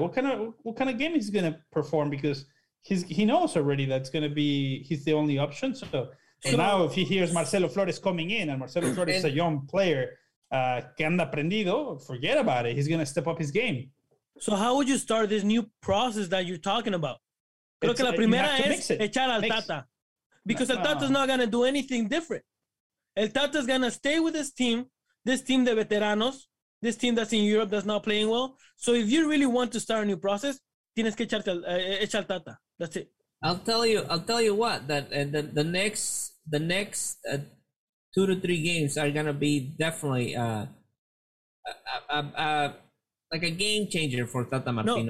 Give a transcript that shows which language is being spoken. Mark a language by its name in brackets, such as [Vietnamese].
[English] What kind of game he's gonna perform, because he knows already that's gonna be he's the only option. So now if he hears Marcelo Flores coming in, and Marcelo Flores is a young player. [Spanish] Que anda prendido, [English] forget about it. He's going to step up his game. So how would you start this new process that you're talking about? [Spanish] Creo que la primera es echar al Tata. [English] Because el Tata's not going to do anything different. El Tata's going to stay with this team [Spanish] de veteranos, [English] this team that's in Europe that's not playing well. So if you really want to start a new process, [Spanish] tienes que echar al Tata. [English] That's it. I'll tell you what, that the next 2 to 3 games are going to be definitely like a game changer for Tata Martino.